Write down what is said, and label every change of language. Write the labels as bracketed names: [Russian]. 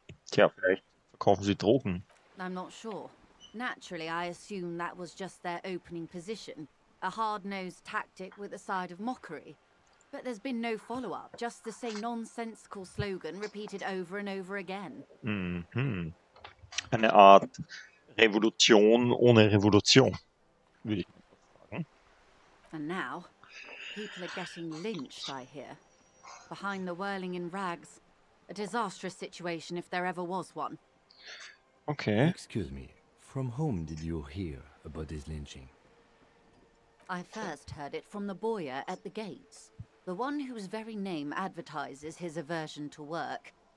[German] Tja, vielleicht verkaufen sie Drogen. [English] I'm not sure. Naturally, I assume that was just their opening position. A hard-nosed tactic with a side of mockery. But there's been no follow-up, just the same nonsensical slogan repeated over and over again. Mm-hmm. [German] Eine Art Revolution ohne Revolution, würde ich sagen. [English] And now, people are getting lynched, I hear. Behind the whirling in rags. A disastrous situation if there ever was one. Okay. Excuse me, from whom did you hear about this lynching? I first heard it from the boyer at the gates. The one whose very name advertises his aversion to work.